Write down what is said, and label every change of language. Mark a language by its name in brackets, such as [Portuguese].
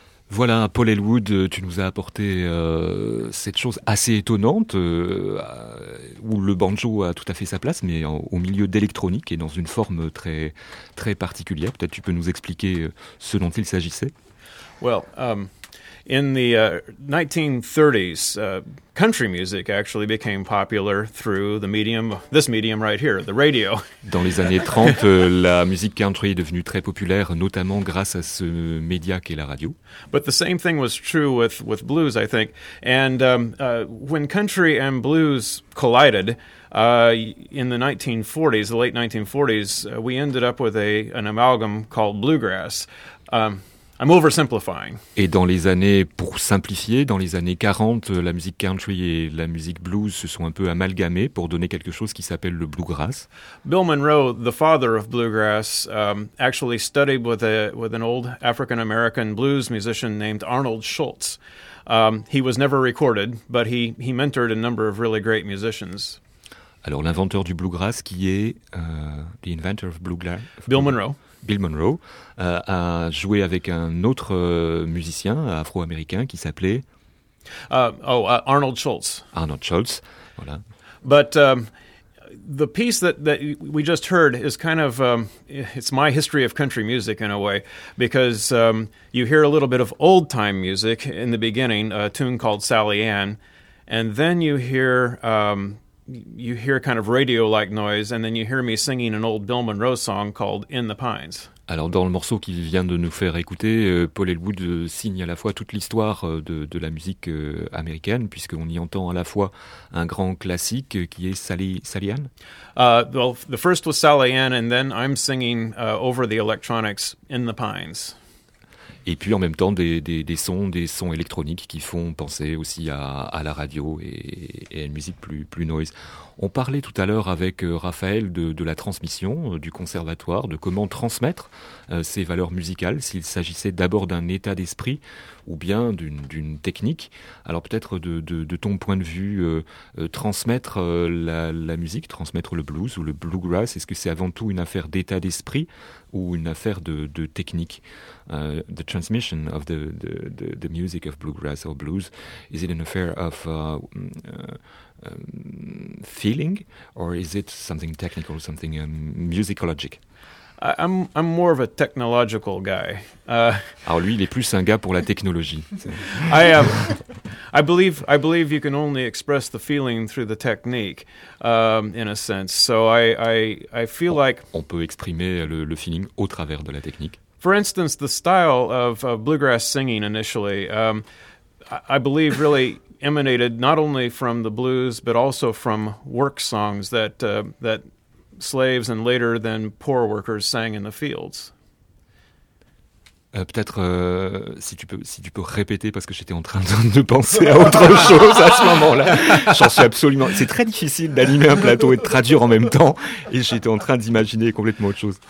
[French] Voilà, Paul Elwood, tu nous as apporté cette chose assez étonnante où le banjo a tout à fait sa place, mais au milieu d'électronique et dans une forme très, très particulière. Peut-être tu peux nous expliquer ce dont il s'agissait. [English] Well, in the 1930s, country music actually became popular through this medium right here, the radio. [French] Dans les années 30, la musique country est devenue très populaire, notamment grâce à ce média qu'est la radio. [English] But the same thing was true with blues, I think. And when country and blues collided in the 1940s, the late 1940s, we ended up with an amalgam called bluegrass. I'm oversimplifying. [French] Et dans les années, pour simplifier, dans les années 40, la musique country et la musique blues se sont un peu amalgamées pour donner quelque chose qui s'appelle le bluegrass. [English] Bill Monroe, the father of bluegrass, actually studied with an old African-American blues musician named Arnold Schultz. He was never recorded, but he mentored a number of really great musicians. [French] Alors l'inventeur du bluegrass qui est [English] the inventor of bluegrass. [French] Bill Monroe. Bill Monroe a joué avec un autre musicien afro-américain qui s'appelait Arnold Schultz. Arnold Schultz, voilà. [English] But the piece that we just heard is kind of it's my history of country music in a way, because you hear a little bit of old time music in the beginning, a tune called Sally Ann, and then you hear kind of radio-like noise, and then you hear me singing an old Bill Monroe song called In the Pines. [French] Alors, dans le morceau qu'il vient de nous faire écouter, Paul Elwood signe à la fois toute l'histoire de la musique américaine, puisqu'on y entend à la fois un grand classique qui est Sally Ann. [English] Well, the first was Sally Ann, and then I'm singing over the electronics in the pines. [French] Et puis en même temps des sons électroniques qui font penser aussi à la radio et à une musique plus noise. On parlait tout à l'heure avec Raphaël de la transmission du conservatoire, de comment transmettre ces valeurs musicales, s'il s'agissait d'abord d'un état d'esprit ou bien d'une technique. Alors peut-être de ton point de vue, transmettre la musique, transmettre le blues ou le bluegrass, est-ce que c'est avant tout une affaire d'état d'esprit ou une affaire de technique? [English] The transmission of the music of bluegrass or blues, is it an affair of feeling, or is it something technical, something musicologic? I'm more of a technological guy. [French] Alors lui, il est plus un gars pour la technologie. [English] I believe you can only express the feeling through the technique, in a sense. So I feel like [French] on peut exprimer le feeling au travers de la technique. [English] For instance, the style of bluegrass singing initially, I believe, really emanated not only from the blues but also from work songs that that slaves and later then poor workers sang in the fields. [French] Peut-être si tu peux répéter, parce que j'étais en train de penser à autre chose à ce moment-là. J'en suis absolument. C'est très difficile d'animer un plateau et de traduire en même temps, et j'étais en train d'imaginer complètement autre chose.